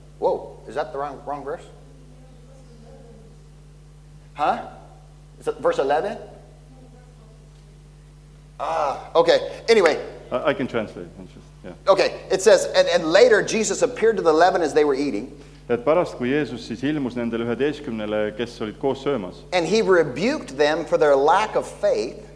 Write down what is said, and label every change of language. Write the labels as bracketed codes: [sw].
[en] Whoa, is that the wrong verse? Huh? Is that verse 11? Okay. Anyway, I can translate. Just, yeah. Okay. It says, and later Jesus appeared to the 11 as they were eating. [et] Et pärast, kui Jeesus siis ilmus nendele 11-le, kes olid koos söömas. [en] And he rebuked them for their lack of faith.